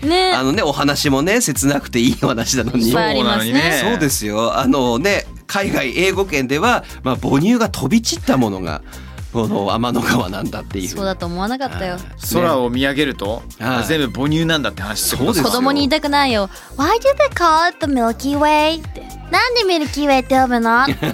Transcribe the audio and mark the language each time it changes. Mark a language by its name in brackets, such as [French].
[Japanese] ね、あのねお話もね切なくていい話なのに、そうなのにね、そうですよ、あのね海外英語圏では、まあ、母乳が飛び散ったものがこの天の川なんだっていう、そうだと思わなかったよ、空を見上げると、ね、全部母乳なんだって話ってことですよ、子供に言いたくないよ、 [English] Why do they call it the Milky Way? [Japanese] なんでミルキーウェイって呼ぶの